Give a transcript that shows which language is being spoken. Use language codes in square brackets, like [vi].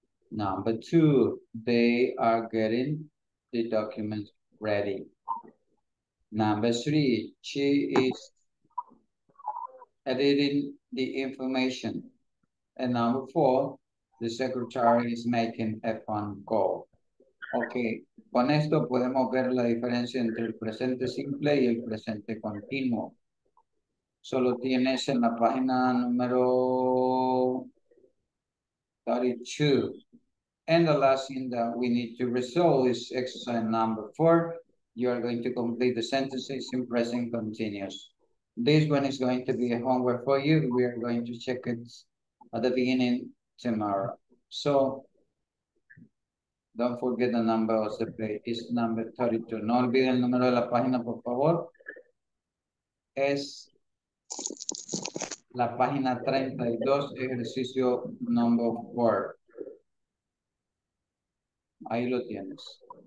[en] Number two, they are getting the documents ready. Number three, she is editing the information. And number four, the secretary is making a phone call. [es] Okay, con esto podemos ver la diferencia entre el presente simple y el presente continuo. Solo tienes en la página número 32. [en] And the last thing that we need to resolve is exercise number four. You are going to complete the sentences in present continuous. This one is going to be a homework for you. We are going to check it at the beginning tomorrow. So don't forget the number of the page. It's number 32. [es] No olvide el número de la página, por favor. Es la página 32, ejercicio [en] number 4. [es] Ahí lo tienes.